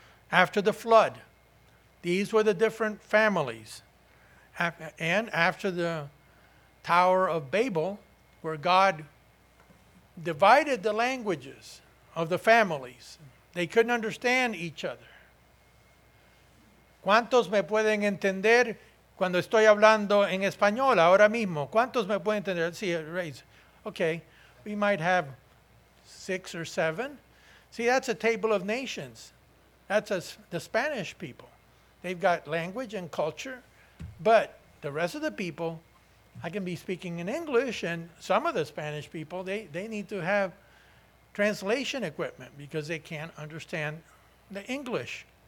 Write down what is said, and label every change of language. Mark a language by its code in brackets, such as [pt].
[en] After the flood, these were the different families. And after the Tower of Babel, where God divided the languages of the families, they couldn't understand each other. [es] ¿Cuántos me pueden entender cuando estoy hablando en español ahora mismo? ¿Cuántos me pueden entender? [en] See, raise. Okay, we might have 6 or 7. See, that's a table of nations. That's us, the Spanish people. They've got language and culture, but the rest of the people, I can be speaking in English, and some of the Spanish people, they need to have translation equipment because they can't understand the English.